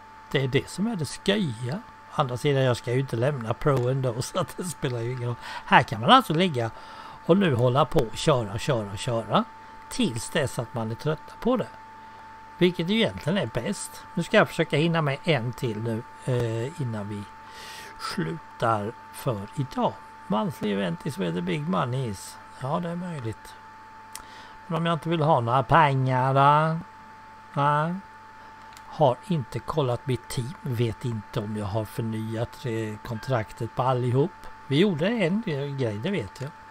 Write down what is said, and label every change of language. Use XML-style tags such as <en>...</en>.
<sv>Det är det som är det sköja. Å andra sidan, jag ska ju inte lämna Pro ändå så att det spelar ju ingen roll. Här kan man alltså ligga och nu hålla på och köra. Tills dess att man är trött på det. Vilket ju egentligen är bäst. Nu ska jag försöka hinna med en till nu innan vi slutar för idag.</sv> <en>Monthly event is where the big money is.</en> <sv>Ja, det är möjligt. Men om jag inte vill ha några pengar då? Nej. Har inte kollat mitt team. Vet inte om jag har förnyat kontraktet på allihop. Vi gjorde en grej, det vet jag.</sv>